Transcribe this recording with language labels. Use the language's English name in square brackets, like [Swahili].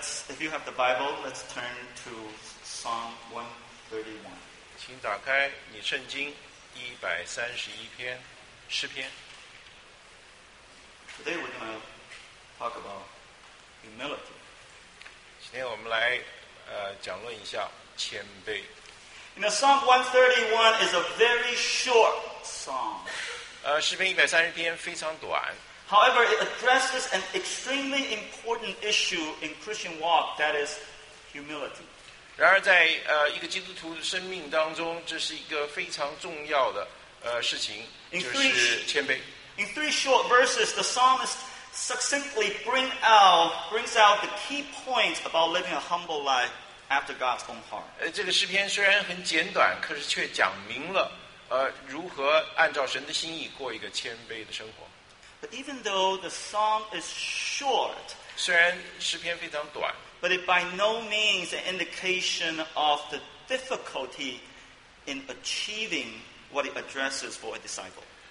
[English] If you have the Bible, let's turn to Psalm 131. [Chinese] 请打开你圣经131篇诗篇。 [English] Today we're going to talk about humility. [Chinese] 今天我们来讲论一下谦卑。 [English] You know, Psalm 131 is a very short psalm. [Chinese] 诗篇130篇非常短。 [English] However, it addresses an extremely important issue in Christian walk, that is humility. [Chinese] 然而在一个基督徒的生命当中，这是一个非常重要的事情，就是谦卑。 [English] In three short verses, the psalmist succinctly brings out the key points about living a humble life after God's own heart. [Chinese] 这个诗篇虽然很简短，可是却讲明了如何按照神的心意过一个谦卑的生活。 [English] But even though the psalm is short, [Chinese] 虽然诗篇非常短， [English] but it by no means an indication of the difficulty in achieving what it addresses for a disciple.